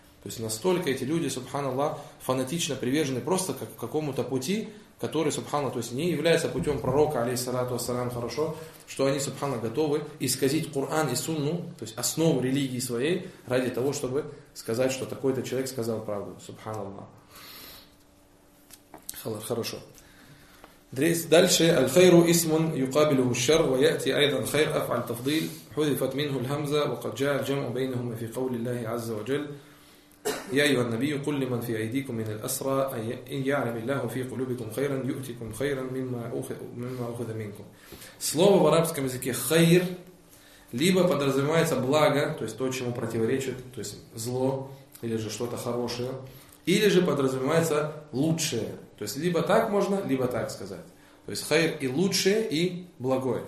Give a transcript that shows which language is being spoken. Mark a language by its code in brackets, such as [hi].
[ru] То есть, настолько эти люди, субханаллах, фанатично привержены просто к какому-то пути, который, субхана, то есть не является путем пророка, алейхиссалату ассалям, хорошо, что они, субхана, готовы исказить Коран и Сунну, то есть основу религии своей, ради того, чтобы сказать, что такой-то человек сказал правду, субханаллах. Хорошо. Дальше. [ar] Аль-хайру исмун юкабилу шар, ва яти айдан хайр афаль тафдил, худифат минху л-хамза, ва каджа аль-джаму бейнахума фи каули Аллахи Азза ва Джалл. يا أيها النبي قل لمن في أيديكم من الأسرى أن يعلم الله في قلوبكم خيرا يؤتكم خيرا مما أخذ منكم. [ru] Слово в арабском языке хайр либо подразумевается благо, то есть то, чему противоречит, то есть зло или же что-то хорошее, или же подразумевается лучшее. То есть либо так можно, либо так сказать. То есть хайр и лучшее, и благое.